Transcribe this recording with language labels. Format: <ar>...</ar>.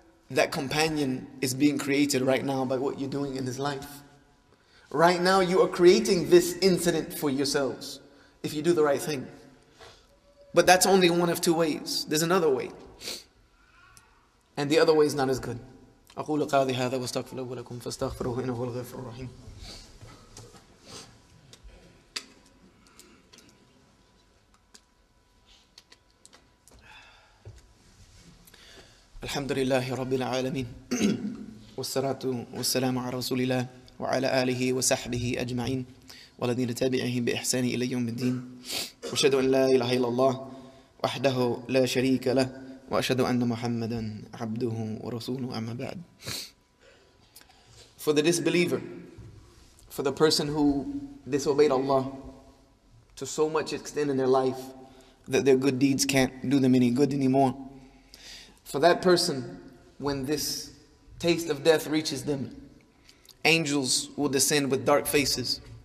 <en>That companion is being created right now by what you're doing in this life. Right now you are creating this incident for yourselves. If you do the right thing. But that's only one of two ways. There's another way. And the other way is not as good.</en> <ar>أقول قاضي هذا واستغفر الله لكم فاستغفروه إنه هو الغفور الرحيم. الحمد لله رب العالمين والصلاة والسلام على رسول الله وعلى آله وصحبه أجمعين والذين تبعهم بإحسان إلى يوم الدين وأشهد أن لا إله إلا الله وحده لا شريك له وأشهد أن محمدا عبده ورسوله أما بعد.</ar> <en>For the disbeliever, for the person who disobeyed Allah to so much extent in their life that their good deeds can't do them any good anymore. For that person, when this taste of death reaches them, angels will descend with dark faces.</en>